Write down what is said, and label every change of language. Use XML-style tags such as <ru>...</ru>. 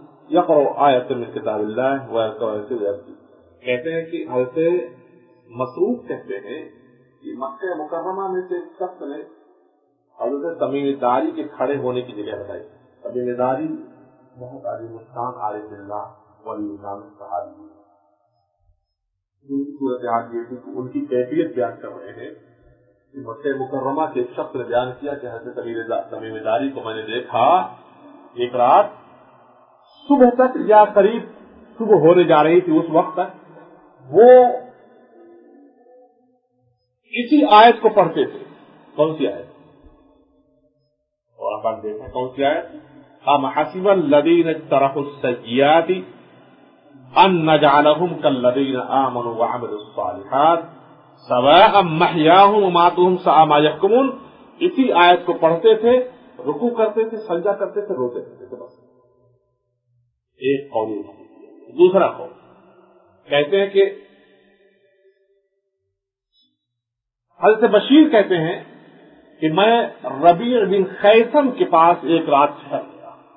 <ar>يقرأ آيات من كتاب الله ويقرأ آيات من كتاب الله.</ar> <ur>کہتے ہیں کہ حضرت مسروق کہتے ہیں کہ مکہ مکرمہ میں سے ایک شخص نے حضرت تمیم داری کے کھڑے ہونے کی جگہ بتائی. تمیم داری بہت عظیم الشان عارف اللہ ولی نام صحابی صورت حال یہ تھی کہ ان کی کیفیت بیان کر رہے ہیں کہ مکہ مکرمہ کے شخص نے بیان کیا کہ حضرت تمیم داری کو میں نے دیکھا ایک رات صبح تک یا قریب صبح ہونے جا رہی تھی اس وقت تک وہ اسی آیت کو پڑھتے تھے. کون سی آیت؟ قرآن پاک دیکھیں کون سی آیت.</ur> <ar>ام حسب الذین اجترحوا السیئات ان نجعلهم كالذین آمنوا وعملوا الصالحات سواء محیاهم وماتهم ساء ما يحکمون.</ar> <ur>اسی آیت کو پڑھتے تھے, رکوع کرتے تھے, سجدہ کرتے تھے, روتے تھے. ایک قول. دوسرا قول کہتے ہیں کہ حضرت بشیر کہتے ہیں کہ میں ربیع بن خیثم کے پاس ایک رات ٹھہر گیا.</ur>